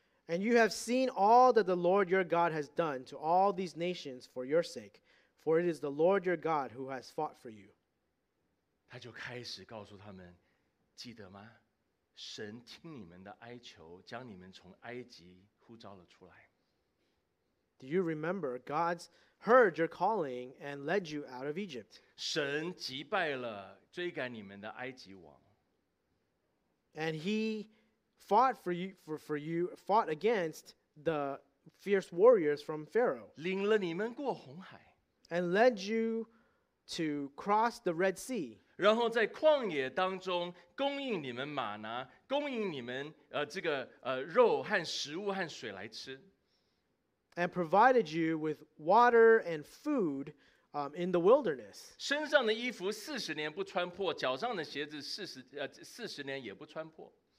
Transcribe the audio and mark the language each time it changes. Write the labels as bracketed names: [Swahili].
[English] 23:3 And you have seen all that the Lord your God has done to all these nations for your sake, for it is the Lord your God who has fought for you. [Chinese] 他就开始告诉他们，记得吗？神听你们的哀求，将你们从埃及呼召了出来。 [English] Do you remember God's heard your calling and led you out of Egypt? [Chinese] 神击败了追赶你们的埃及王。 [English] And he fought for you, fought against the fierce warriors from Pharaoh. [Chinese] 领了你们过红海。 [English] And led you to cross the Red Sea. [Chinese] 然后在旷野当中供应你们玛拿，供应你们这个肉和食物和水来吃。 [English] And provided you with water and food, in the wilderness. [Chinese] 身上的衣服四十年不穿破，脚上的鞋子四十年也不穿破。